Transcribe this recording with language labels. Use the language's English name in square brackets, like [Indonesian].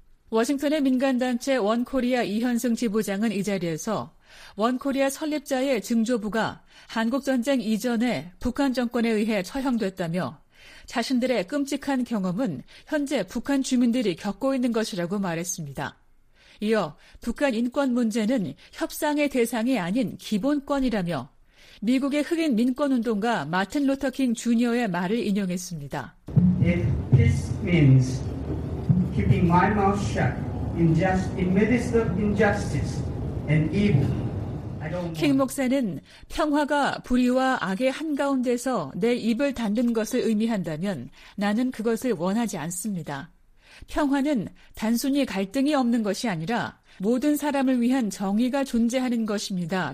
[Korean] 워싱턴의 민간단체 원코리아 이현승 지부장은 이 자리에서 원코리아 설립자의 증조부가 한국전쟁 이전에 북한 정권에 의해 처형됐다며 자신들의 끔찍한 경험은 현재 북한 주민들이 겪고 있는 것이라고 말했습니다. 이어 북한 인권 문제는 협상의 대상이 아닌 기본권이라며 미국의 흑인 민권운동가 마틴 루터킹 주니어의 말을 인용했습니다. [English] If this means keeping my mouth shut in just in midst of injustice and evil. [Korean] 킹 목사는 평화가 불의와 악의 한가운데서 내 입을 닫는 것을 의미한다면 나는 그것을 원하지 않습니다. 평화는 단순히 갈등이 없는 것이 아니라 모든 사람을 위한 정의가 존재하는 것입니다.